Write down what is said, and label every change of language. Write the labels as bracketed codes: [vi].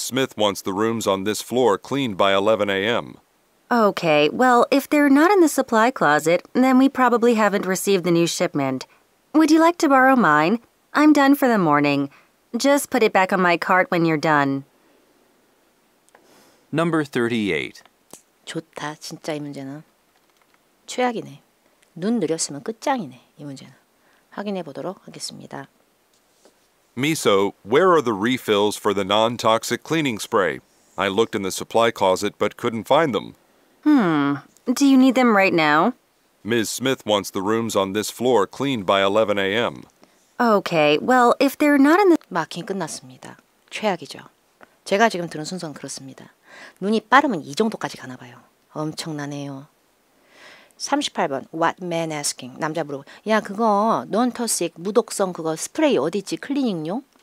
[en] Smith wants the rooms on this floor cleaned by 11 a.m. Okay, well, if they're not in the supply closet, then we probably haven't received the new shipment. Would you like to borrow mine? I'm done for the morning. Just put it back on my cart when you're done. Number 38. [ko] 좋다, 진짜 이 문제는. 최악이네. 눈 느렸으면 끝장이네, 이 문제는. 확인해 보도록 하겠습니다. [en] Miso, where are the refills for the non-toxic cleaning spray? I looked in the supply closet but couldn't find them. Do you need them right now? Ms. Smith wants the rooms on this floor cleaned by 11 a.m. Okay, well, if they're not in the... [ko] 마킹 끝났습니다. 최악이죠. 제가 지금 들은 순서는 그렇습니다. 눈이 빠르면 이 정도까지 가나 봐요. 엄청나네요. 38번, [en] what man asking? [ko] 남자 물어. 야, 그거 non-toxic, 무독성 그거 스프레이 어디 있지? 클리닝요?